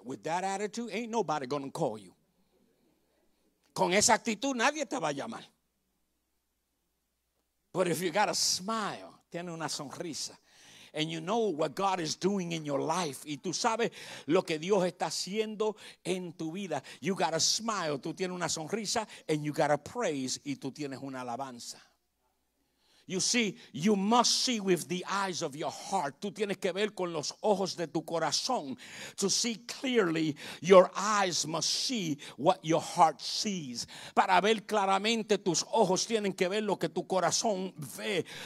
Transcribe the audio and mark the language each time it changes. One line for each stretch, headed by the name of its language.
English: With that attitude, ain't nobody going to call you.
Spanish: Con esa actitud, nadie te va a llamar.
English: But if you got a smile,
Spanish: tiene una sonrisa,
English: and you know what God is doing in your life,
Spanish: y tú sabes lo que Dios está haciendo en tu vida,
English: you got a smile,
Spanish: tú tienes una sonrisa,
English: and you got a praise,
Spanish: y tú tienes una alabanza.
English: You see, you must see with the eyes of your heart.
Spanish: Tú tienes que ver con los ojos de tu corazón.
English: To see clearly, your eyes must see what your heart sees.
Spanish: Para ver claramente, tus ojos tienen que ver lo que tu corazón ve.